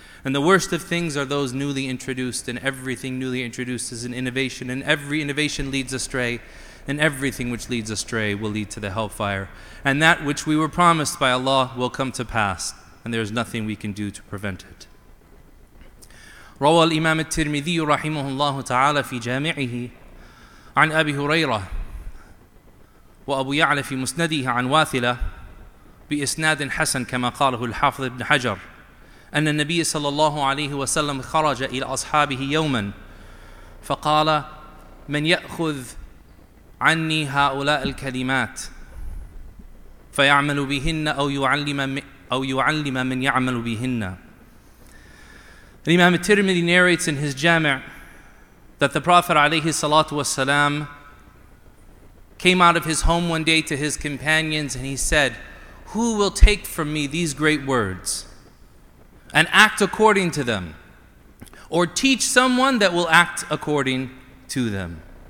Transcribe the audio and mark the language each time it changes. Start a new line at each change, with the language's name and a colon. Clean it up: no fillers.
English: And the worst of things are those newly introduced, and everything newly introduced is an innovation, and every innovation leads astray, and everything which leads astray will lead to the hellfire. And that which we were promised by Allah will come to pass, and there is nothing we can do to prevent it.
Arabic: Rawa al-Imam al-Tirmidhi rahimahullah ta'ala fi jami'ihi an Abi Hurairah وأبو يعلى في مسنده عن واثلة بإسناد حسن كما قاله الحافظ ابن حجر أن النبي صلى الله عليه وسلم خرج إلى أصحابه يوما فقال من يأخذ عني هؤلاء الكلمات فيعمل بهن أو يعلم من يعمل بهن.
English: الإمام الترمذي narrates in his جامع that the Prophet عليه الصلاة والسلام came out of his home one day to his companions and he said, who will take from me these great words and act according to them, or teach someone that will act according to them?